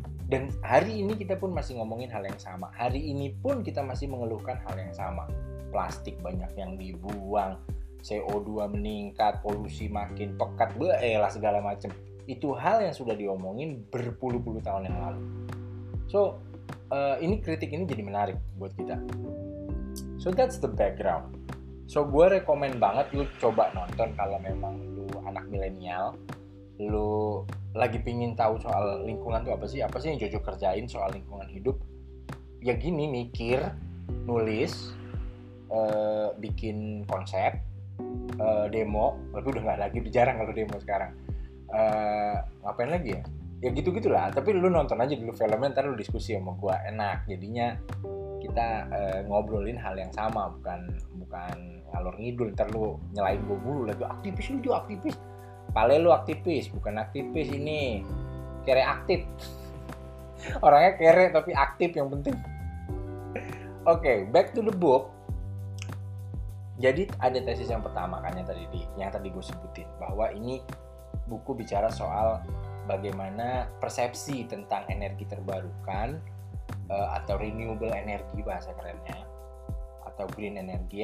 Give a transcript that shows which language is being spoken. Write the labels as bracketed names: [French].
[Indonesian] Dan hari ini kita pun masih ngomongin hal yang sama. Hari ini pun kita masih mengeluhkan hal yang sama. Plastik banyak yang dibuang, CO2 meningkat, polusi makin pekat, lah segala macam. Itu hal yang sudah diomongin berpuluh-puluh tahun yang lalu. So, ini kritik ini jadi menarik buat kita. [English] So, that's the background. [Indonesian] So, gue rekomend banget lu coba nonton kalau memang lu anak milenial, lu lagi pingin tahu soal lingkungan itu apa sih yang cocok kerjain soal lingkungan hidup. Ya gini, mikir, nulis, bikin konsep, demo, tapi udah gak lagi, udah jarang kalau demo sekarang. Ngapain lagi ya? Ya gitu-gitulah, tapi lu nonton aja dulu filmnya, ntar lu diskusi sama gua, enak. Jadinya kita ngobrolin hal yang sama, bukan ngalor ngidul, ntar lu nyelain gua dulu, lagi aktivis, lu juga aktivis. Pale lu aktivis, bukan aktivis ini, kere aktif. Orangnya kere tapi aktif yang penting. [English] Oke, okay, back to the book. [Indonesian] Jadi ada tesis yang pertama kan yang tadi gue sebutin, bahwa ini buku bicara soal bagaimana persepsi tentang energi terbarukan atau renewable energy bahasa kerennya, atau green energy.